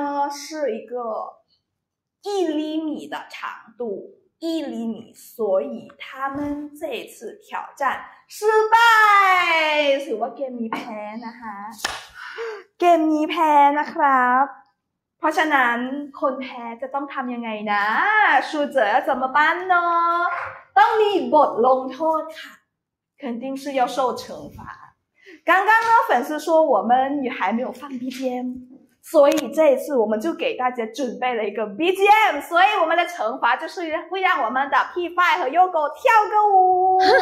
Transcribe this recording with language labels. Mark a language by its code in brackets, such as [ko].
[zh] 是一个一厘米的长度，一厘米，所以他们这次挑战失败。 [th] ถือว่าเกมนี้แพ้นะคะ เกมนี้แพ้นะครับ เพราะฉะนั้นคนแพ้จะต้องทำยังไงนะ ชูเจ๋อจะมาบ้านเนาะ ต้องมีบทลงโทษค่ะ [zh] 肯定是要受惩罚。刚刚呢，粉丝说我们也还没有放 BGM。所以这一次我们就给大家准备了一个 BGM， 所以我们的惩罚就是会让我们的 P5 和 Yoko 跳个舞。